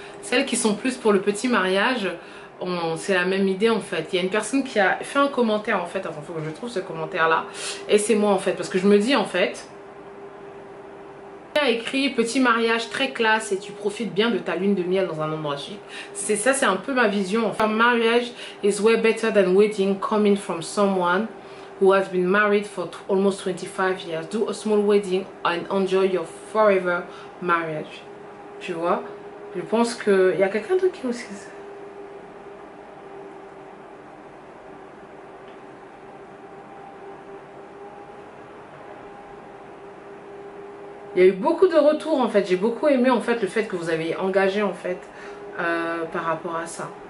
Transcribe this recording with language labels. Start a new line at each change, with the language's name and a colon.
French: Celles qui sont plus pour le petit mariage, c'est la même idée en fait. Il y a une personne qui a fait un commentaire en fait, enfin faut que je trouve ce commentaire là. Et c'est moi en fait, parce que je me dis en fait... A écrit petit mariage très classe et tu profites bien de ta lune de miel dans un endroit chic. C'est ça, c'est un peu ma vision. Enfin,
English: marriage is way better than wedding coming from someone who has been married for almost 25 years. Do a small wedding and enjoy your forever marriage.
French: Tu vois, je pense que il y a quelqu'un d'autre qui aussi. Il y a eu beaucoup de retours en fait, j'ai beaucoup aimé en fait le fait que vous avez engagé en fait par rapport à ça.